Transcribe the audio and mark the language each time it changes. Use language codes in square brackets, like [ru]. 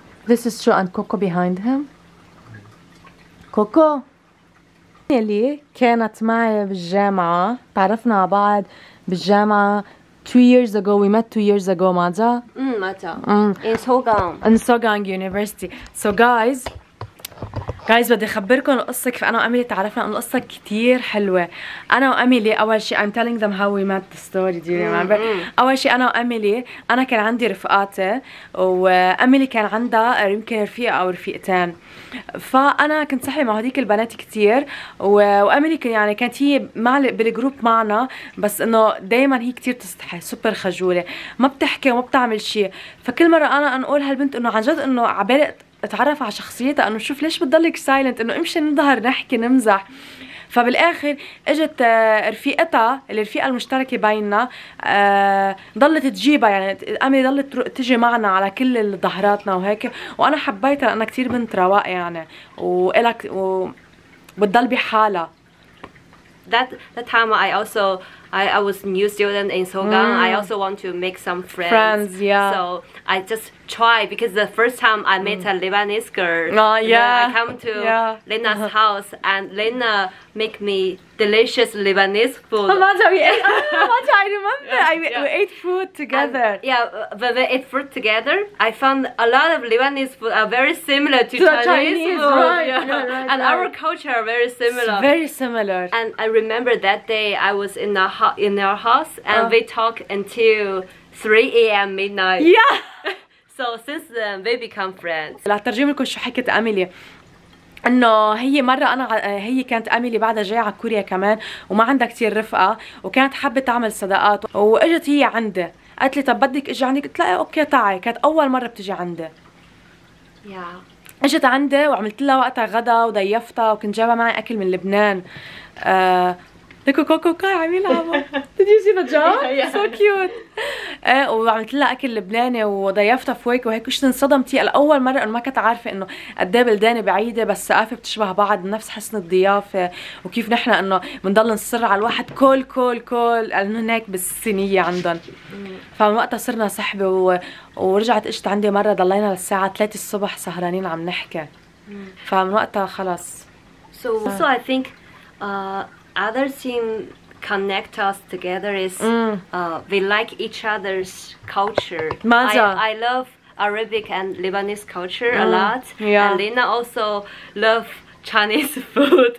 [en] This is Cho and Coco behind him. Coco. [ar] اللي كانت معي بالجامعة، تعرفنا بعض بالجامعة [en] 2 years ago. We met 2 years ago. [ar] ماذا؟ ماذا؟ [en] In Sogang. In Sogang University. So guys. [ar] جايز بدي اخبركم القصة، كيف انا واميلي تعرفنا. انه القصة كتير حلوة. انا واميلي اول شيء [en] I'm telling them how we met the story. Do you remember? [ar] اول شيء انا واميلي، انا كان عندي رفقاتي واميلي كان عندها يمكن رفيقة او رفيقتين، فانا كنت صحي مع هذيك البنات كتير، واميلي يعني كانت هي مع بالجروب معنا، بس انه دايما هي كتير تستحي، سوبر خجولة، ما بتحكي وما بتعمل شيء. فكل مرة انا انقول هالبنت انه عن جد انه عبالي اتعرف على شخصيتها، انه شوف ليش بتضلك سايلنت، انه امشي نظهر نحكي نمزح. فبالاخر اجت رفيقتها اللي الرفيقه المشتركه بيننا، ضلت تجيبها، يعني امي ضلت تجي معنا على كل الظهراتنا وهيك، وانا حبيتها لانها كثير بنت رواق يعني، والك وبتضل بحالها. [en] That time I was new student in Sogang. I also want to make some friends. Yeah. So I just try, because the first time I met a Lebanese girl. Yeah. I come to Lena's house and Lena make me delicious Lebanese food. I remember. We ate food together. And we ate food together. I found a lot of Lebanese food are very similar to Chinese food. Right. And our culture are very similar. It's very similar. And I remember that day I was in the in our house and we talk until 3 a.m. midnight. Yeah. So since then we become friends. [ar] لا ترجم لكم شو حكيت أميلي. انه هي مره انا هي كانت اميلي بعدها جايه على كوريا كمان وما عندها كثير رفقه، وكانت حابه تعمل صداقات، واجت هي عندي قالت لي طب بدك اجي عندك، قلت لها اوكي تعي. كانت اول مره بتجي عندي. اجت عندي وعملت لها وقتها غدا وضيفتها، وكنت جايبه معي اكل من لبنان. لكو كوكو كاي عم يلعبوا. [en] Did you see the job? So cute. [ar] وعملت لها اكل لبناني وضيفتها فويك وهيك، وشت انصدمتي لاول مره انه ما كانت عارفه انه قد ايه بلداني بعيده، بس الثقافه بتشبه بعض، نفس حسن الضيافه، وكيف نحن انه بنضل نصر على الواحد كول كول كول، لانه هناك بالصينيه عندهم. فمن وقتها صرنا صحبه، ورجعت اجت عندي مره ضلينا للساعه 3 الصبح سهرانين عم نحكي. فمن وقتها خلص. [en] So I think other thing connect us together is we like each other's culture. I love Arabic and Lebanese culture a lot. Yeah. And Lena also love Chinese food.